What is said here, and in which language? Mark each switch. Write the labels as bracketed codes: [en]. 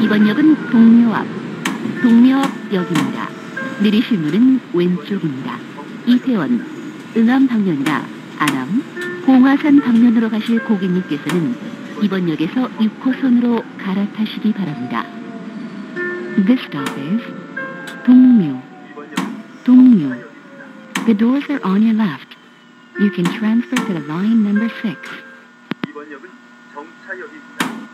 [ko] 역은 동묘역. 동묘역입니다. 내리실 문은 왼쪽입니다. 이태원, 응암 방면과 안암, 공화산 방면으로 가실 고객님께서는 이번 역에서 6호선으로 갈아타시기 바랍니다. [en] This stop is 동묘. [ko] 동묘. [en] The doors are on your left. You can transfer to the line number 6. [ko] 이번 역은 정차역입니다.